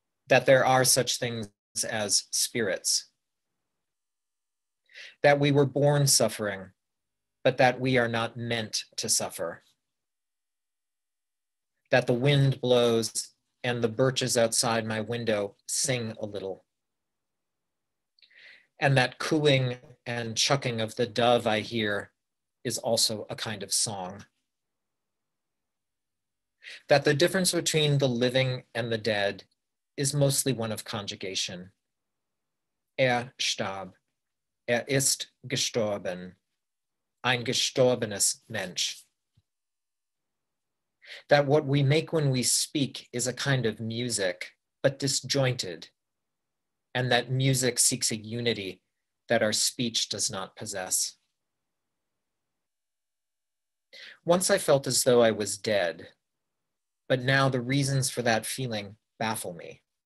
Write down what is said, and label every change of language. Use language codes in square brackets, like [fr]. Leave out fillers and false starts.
[en] that there are such things as spirits, that we were born suffering, but that we are not meant to suffer, that the wind blows and the birches outside my window sing a little, and that cooing and chucking of the dove I hear is also a kind of song. That the difference between the living and the dead is mostly one of conjugation. [de] Er starb, er ist gestorben, ein gestorbenes Mensch. [en] That what we make when we speak is a kind of music, but disjointed, and that music seeks a unity that our speech does not possess. Once I felt as though I was dead, but now the reasons for that feeling baffle me.